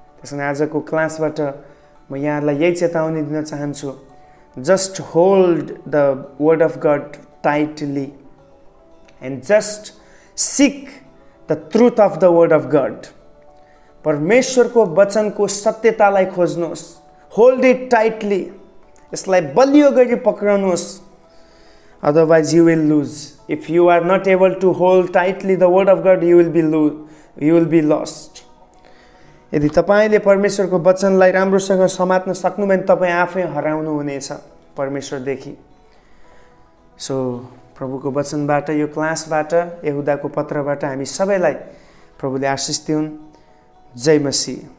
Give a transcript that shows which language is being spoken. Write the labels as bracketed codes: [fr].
[ne] त्यसमा आजको क्लासबाट म यहाँहरूलाई यही चेतावनी दिन चाहन्छु, [en] Just hold the word of God tightly and just seek the truth of the word of God. [ne] परमेश्वरको वचनको सत्यतालाई खोज्नुहोस्, [en] hold it tightly, [ne] यसलाई बलियो गरी पक्राउनुहोस्. [en] Otherwise you will lose. If you are not able to hold tightly the word of God, you will be lost. [ne] यदि तपाईँले परमेश्वरको वचनलाई राम्रोसँग समात्न सक्नु भने तपाईँ आफै हराउनुहुनेछ परमेश्वरदेखि. सो प्रभुको वचनबाट, यो क्लासबाट, यहुदाको पत्रबाट हामी सबैलाई प्रभुले आशिष दिउन्. जय मसीह.